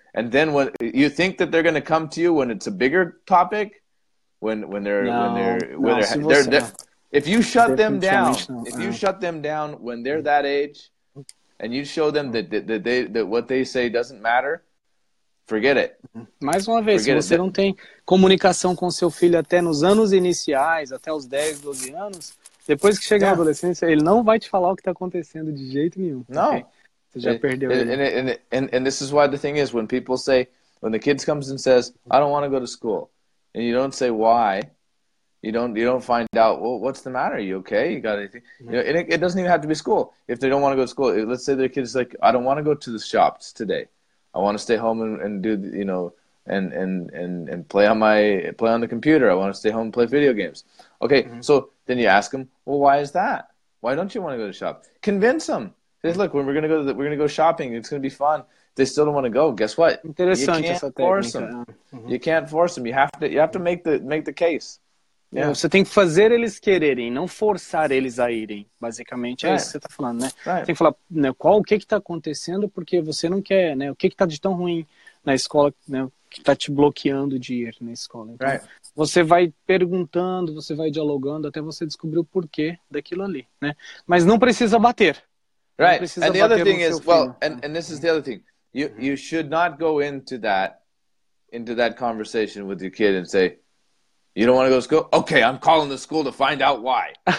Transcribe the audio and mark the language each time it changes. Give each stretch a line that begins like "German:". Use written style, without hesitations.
English: And then what you think that they're going to come to you when it's a bigger topic, if you shut them down when they're that age, and you show them that what they say doesn't matter. Forget it.
Portuguese: Mais uma vez, se você não tem comunicação com seu filho até nos anos iniciais, até os 10, 12 anos, depois que chega na adolescência, ele não vai te falar o que está acontecendo de jeito nenhum. Não. Okay? Você já perdeu ele.
English: And this is why the thing is, when people say, when the kids comes and says, "I don't want to go to school," and you don't say why, you don't find out, well, what's the matter? Are you okay? You got anything? You know, and it doesn't even have to be school. If they don't want to go to school, let's say their kid's like, "I don't want to go to the shops today. I want to stay home and do, you know, and play on the computer. I want to stay home and play video games." Okay, so then you ask them, "Well, why is that? Why don't you want to go to shop?" Convince them. Say, "Look, when we're gonna go shopping, it's gonna be fun." They still don't want to go. Guess what?
Portuguese: Interessante essa técnica.
English: You can't force them. You have to make the case. Yeah.
Portuguese: Você tem que fazer eles quererem, não forçar eles a irem. Basicamente, é isso que você está falando, né?
English: Right.
Portuguese: Tem que falar, né, o que está acontecendo, porque você não quer, né? O que está de tão ruim na escola, né, que está te bloqueando de ir na escola. Então, right. Você vai perguntando, você vai dialogando, até você descobrir o porquê daquilo ali, né? Mas não precisa bater. Right. Não precisa bater no seu filho.
English: And this is the other thing. You should not go into that conversation with your kid and say, "You don't want to go to school? Okay, I'm calling the school to find out why."